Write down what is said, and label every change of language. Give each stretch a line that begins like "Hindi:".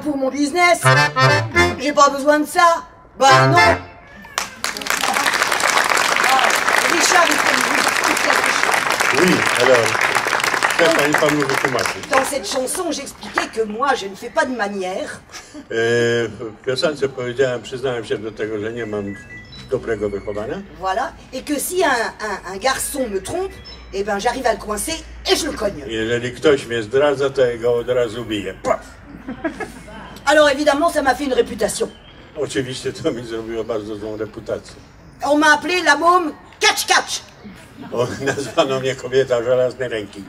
French: business. J'ai pas besoin de ça. Bah non. Richard, il faut que tu fasses. Oui, alors. Donc, dans cette chanson, j'expliquais que moi, je ne fais pas de manière.
Polish: Piosence powiedziałem, przyznałem się do tego, że nie mam dobrego wychowania.
French: Voilà. Et que si un garçon me trompe, eh ben, j'arrive à le coincer et je le cogne.
Polish: Jeżeli ktoś mnie zdradza, to ja go od razu biję.
French: Alors évidemment, ça m'a fait une réputation.
Polish: Oczywiście, to mi zrobiło bardzo złą reputację.
French: On m'a appelé la môme catch-catch.
Polish: Nazwano mnie kobieta żelaznej ręki.